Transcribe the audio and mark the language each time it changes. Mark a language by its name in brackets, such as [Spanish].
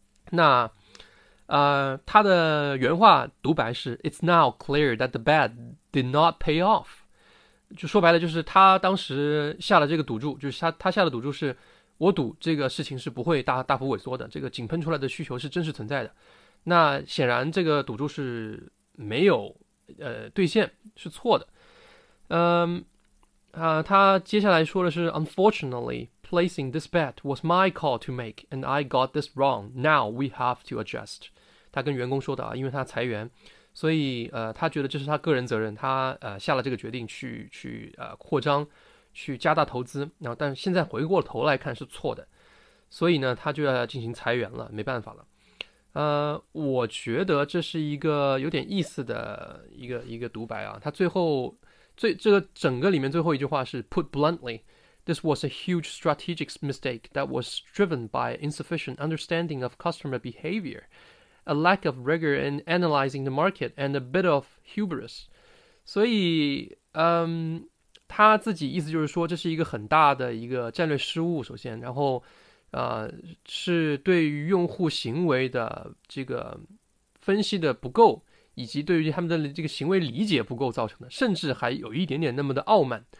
[Chinese] 那他的原话独白是 [English] "It's now clear that the bet did not pay off"， [Chinese] 就说白了就是他当时下了这个赌注，就是他下的赌注是我赌这个事情是不会大幅萎缩的，这个井喷出来的需求是真实存在的。那显然这个赌注是没有兑现，是错的。他接下来说的是 [English] "Unfortunately, placing this bet was my call to make, and I got this wrong. Now we have to adjust." [Chinese] 他跟员工说的啊，因为他裁员，所以他觉得这是他个人责任，他下了这个决定去扩张，去加大投资，然后但现在回过头来看是错的，所以呢他就要进行裁员了，没办法了。我觉得这是一个有点意思的一个独白啊。他最后最这个整个里面最后一句话是 [English] "Put bluntly, this was a huge strategic mistake that was driven by insufficient understanding of customer behavior, a lack of rigor in analyzing the market, and a bit of hubris." [Chinese] 所以，他自己意思就是说，这是一个很大的一个战略失误。首先，然后。是对于用户行为的这个分析的不够，以及对于他们的这个行为理解不够造成的，甚至还有一点点那么的傲慢。